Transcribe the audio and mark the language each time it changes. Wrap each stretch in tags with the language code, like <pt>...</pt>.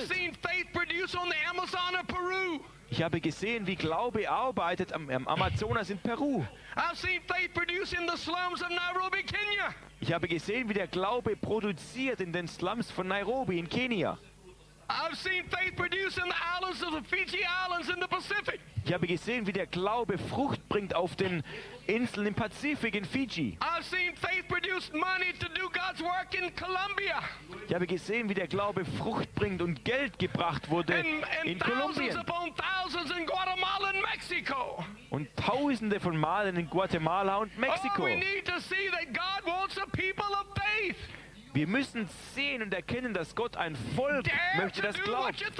<en>I've seen faith produced on the Amazon of Peru.</en> <de>Ich habe gesehen, wie Glaube arbeitet am Amazonas in Peru.</de> <en>I've seen faith produced in the slums of Nairobi, Kenya.</en> <de>Ich habe gesehen, wie der Glaube produziert in den Slums von Nairobi in Kenia.</de> <en>I've seen faith produced in the islands of the Fiji Islands in the Pacific.</en> <de>Ich habe gesehen, wie der Glaube Frucht bringt auf den Inseln im Pazifik in Fiji.</de> <en>I've seen faith produced money to do God's work in Colombia.</en> <de>Ich habe gesehen, wie der Glaube Frucht bringt und Geld gebracht wurde in Kolumbien.</de> <en>Thousands upon thousands in Guatemala and Mexico.</en> <de>Und tausende von Malen in Guatemala und Mexiko.</de> <en>Oh, we need to see that God wants a people of faith.</en> <de>Wir müssen sehen und erkennen, dass Gott ein Volk möchte, das glaubt.</de>